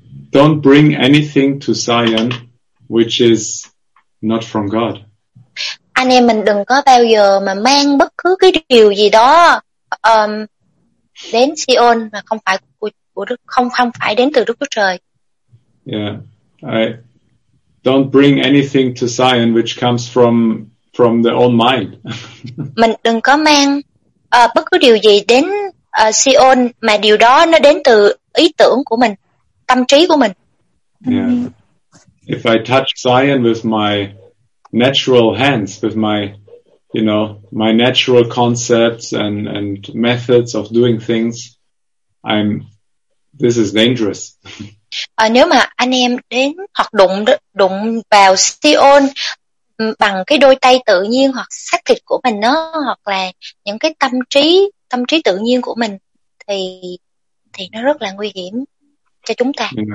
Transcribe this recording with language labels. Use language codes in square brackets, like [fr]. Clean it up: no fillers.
[en] Don't bring anything to Zion which is not from God. [vi] Anh em mình đừng có bao giờ mà mang bất cứ cái điều gì đó đến Sion mà không phải của Đức, không phải đến từ Đức Chúa Trời. Yeah. [en] I don't bring anything to Zion which comes from the own mind. [vi] Mình đừng có mang bất cứ điều gì đến Sion mà điều đó nó đến từ ý tưởng của mình, tâm trí của mình. Yeah. [en] If I touch Zion with my natural hands, with my, you know, my natural concepts and methods of doing things, this is dangerous. [vi] Nếu mà anh em đến hoặc đụng vào Sion bằng cái đôi tay tự nhiên hoặc xác thịt của mình đó, hoặc là những cái tâm trí tự nhiên của mình, thì nó rất là nguy hiểm cho chúng ta.